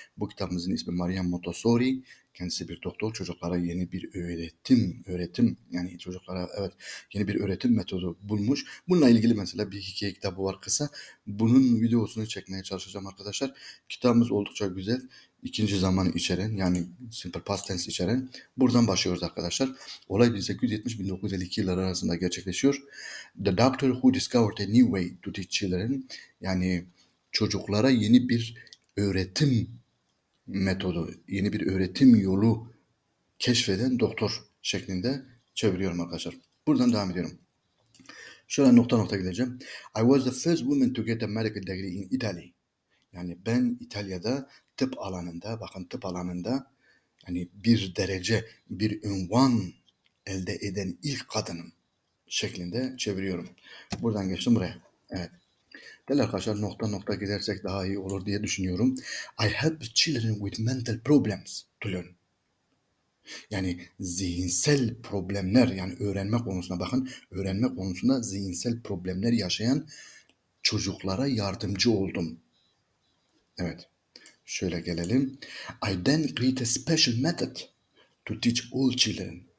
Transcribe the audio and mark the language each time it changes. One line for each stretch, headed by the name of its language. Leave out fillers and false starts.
Turkish: Bu kitabımızın ismi Maria Montessori. Kendisi bir doktor. Çocuklara yeni bir öğretim yani çocuklara evet yeni bir öğretim metodu bulmuş. Bununla ilgili mesela bir hikaye kitabı var kısa. Bunun videosunu çekmeye çalışacağım arkadaşlar. Kitabımız oldukça güzel. İkinci zamanı içeren yani simple past tense içeren. Buradan başlıyoruz arkadaşlar. Olay 1870-1952 yılları arasında gerçekleşiyor.
English: The doctor who discovered a new way to teach children.
Turkish: Yani çocuklara yeni bir öğretim metodu, yeni bir öğretim yolu keşfeden doktor şeklinde çeviriyorum arkadaşlar. Buradan devam ediyorum. Şöyle nokta nokta gideceğim.
English: I was the first woman to get a medical degree in Italy.
Turkish: Yani ben İtalya'da tıp alanında, bakın tıp alanında hani bir derece, bir unvan elde eden ilk kadınım şeklinde çeviriyorum. Buradan geçtim buraya. Evet. Değil arkadaşlar nokta nokta gidersek daha iyi olur diye düşünüyorum.
English: I help children with mental problems to learn.
Turkish: Yani zihinsel problemler yani öğrenme konusuna bakın. Öğrenme konusunda zihinsel problemler yaşayan çocuklara yardımcı oldum. Evet. Şöyle gelelim.
English: I then create a special method to teach all children.